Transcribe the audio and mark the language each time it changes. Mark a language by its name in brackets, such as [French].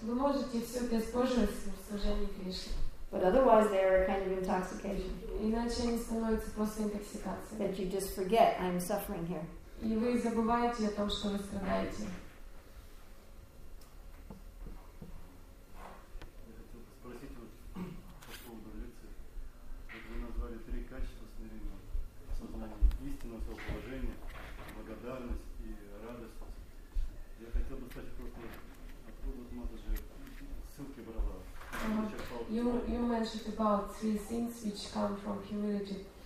[Russian] Вы можете все это использовать в служении Кришне. [English] But otherwise they are a kind of intoxication. [Russian] Иначе они становятся просто интоксикацией. [English] That you just forget I'm suffering here. [Russian] И вы забываете о том, что вы страдаете. Я хотел бы спросить вот по поводу лекции. Вот вы назвали три качества смирения сознания. Истинное самоположение, благодарность и радость. Я хотел бы сказать просто, откуда Мата же ссылки брала. [English] You mentioned about three things which come from humility.